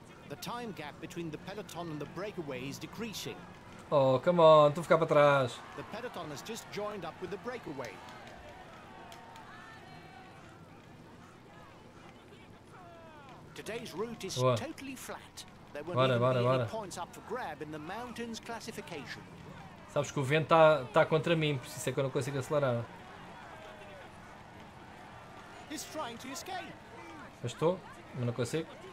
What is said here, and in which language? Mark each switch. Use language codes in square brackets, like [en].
[en] The time gap between the peloton and the breakaway is decreasing. Oh, come on, [pt] estou a ficar para trás. [en] The peloton has just joined up with the breakaway. Today's route is totally flat. [pt] Bora. [en] Points up for grab in the mountains classification. [pt] Sabes que o vento está contra mim, por isso é que eu não consigo acelerar. [en] He's trying to escape. [pt] Mas estou, mas não consigo.